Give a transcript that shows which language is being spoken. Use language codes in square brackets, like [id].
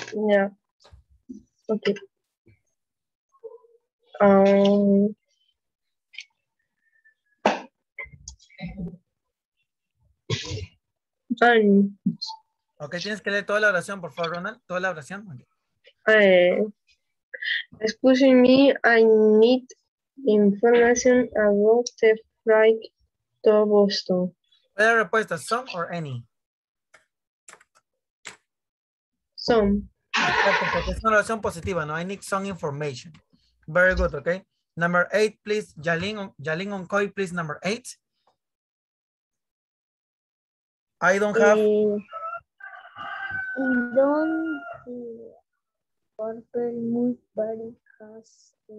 [en] Yeah. Okay. Sorry. [es] Okay, tienes que leer toda la oración, por favor, Ronald. Toda la oración. Okay. [en] Excuse me, I need information about the flight to Boston. [es] ¿Cuál es la respuesta? ¿Some or any? [en] Some. [es] Perfecto, es una oración positiva, ¿no? [en] I need some information. Very good, okay. Number eight, please. Yalin Onkoy, please, number eight. I don't have... I don't... Purple Moon Body has...